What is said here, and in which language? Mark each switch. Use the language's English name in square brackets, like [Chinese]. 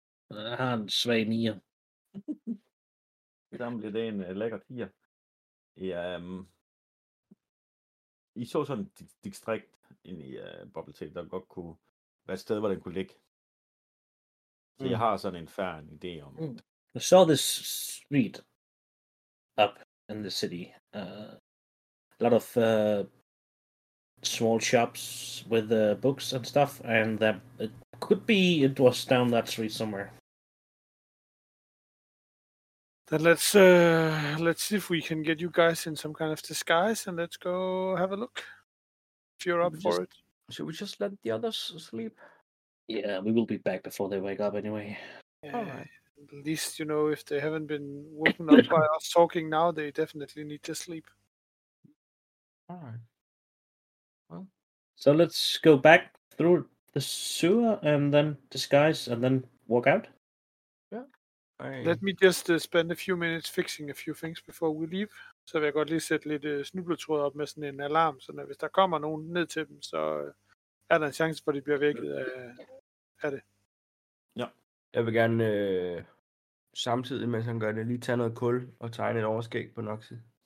[Danish] Jeg har en svag 9. Det samme bliver en lækker 4. Ja, I så sådan et distrikt ind i Bobletape, der godt kunne være et sted, hvor den kunne ligge. Så jeg har sådan en færre idé om det. [English] I saw this street up in the city. A lot of small shops with books and stuff, and it could be it was down that street somewhere. Then let's see if we can get you guys in some kind of disguise, and let's go have a look. If you're up for it. Should we just let the others sleep? Yeah, we will be back before they wake up anyway. Yeah, all right. At least, you know, if they haven't been woken up by us talking now, they definitely need to sleep. Alright. Well, so let's go back through the sewer and then disguise and then walk out. Yeah. Let me just spend a few minutes fixing a few things before we leave. [Danish] Så vil jeg godt lige sætte lidt snubletråd op med sådan en alarm, så hvis der kommer nogen ned til dem, så er der en chance for, at de bliver vækket af det. Ja. Jeg vil gerne samtidig, mens han gør det, lige tage noget kul og tegne et overskæg på Noxie.